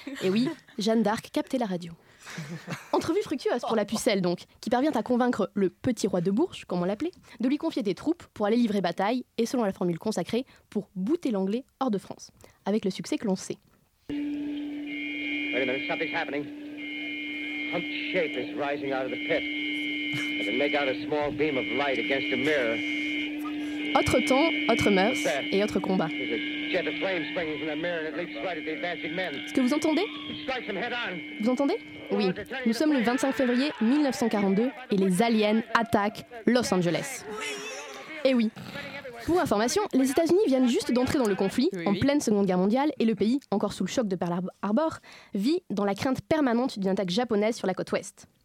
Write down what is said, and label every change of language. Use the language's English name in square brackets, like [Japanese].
[French] Et oui, Jeanne d'Arc captait la radio. Entrevue fructueuse pour la pucelle donc, qui parvient à convaincre le petit roi de Bourges, comme on l'appelait, de lui confier des troupes pour aller livrer bataille et selon la formule consacrée, pour bouter l'anglais hors de France, avec le succès que l'on sait. [English] Wait a minute, something's happening. Humped shape is rising out of the pit. I can make out a small beam of light against a mirror. [French] Autre temps, autre mœurs et autre combat. [English] Jet of flame springing from the mirror and it leaps right at the advancing men. [French] Est-ce que vous entendez? Vous entendez? Oui. Nous sommes le 25 février 1942 et les aliens attaquent Los Angeles. Et oui. Pour information, les États-Unis viennent juste d'entrer dans le conflit, en pleine Seconde Guerre mondiale, et le pays, encore sous le choc de Pearl Harbor, vit dans la crainte permanente d'une attaque japonaise sur la côte ouest.